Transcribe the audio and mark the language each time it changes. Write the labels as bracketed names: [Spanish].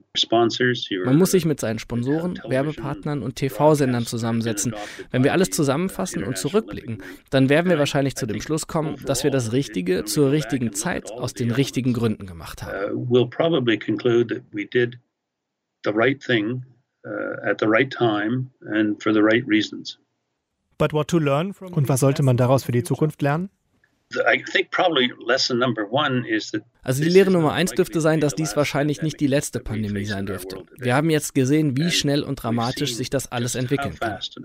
[German] Man muss sich mit seinen Sponsoren, Werbepartnern und TV-Sendern zusammensetzen. Wenn wir alles zusammenfassen und zurückblicken, dann werden wir wahrscheinlich zu dem Schluss kommen, dass wir das Richtige zur richtigen Zeit aus den richtigen Gründen gemacht haben. [English] We'll probably conclude that we did the right thing at the right time and for the right reasons. But what to learn from? [German] Und was sollte man daraus für die Zukunft lernen? Also die Lehre Nummer 1 dürfte sein, dass dies wahrscheinlich nicht die letzte Pandemie sein dürfte. Wir haben jetzt gesehen, wie schnell und dramatisch sich das alles entwickeln kann.